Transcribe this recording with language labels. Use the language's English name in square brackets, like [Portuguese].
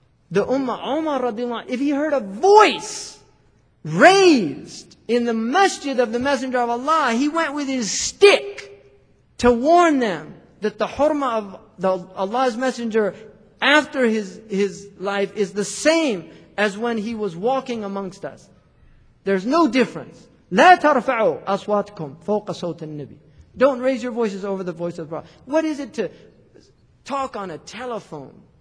[English] The Ummah, Umar radiallahu anhu, if he heard a voice raised in the masjid of the Messenger of Allah, he went with his stick to warn them that the hurma of Allah's Messenger after his life is the same as when he was walking amongst us. There's no difference. [Arabic] لا ترفعوا أصواتكم فوق صوت النبي. [English] Don't raise your voices over the voice of the Prophet. What is it to talk on a telephone?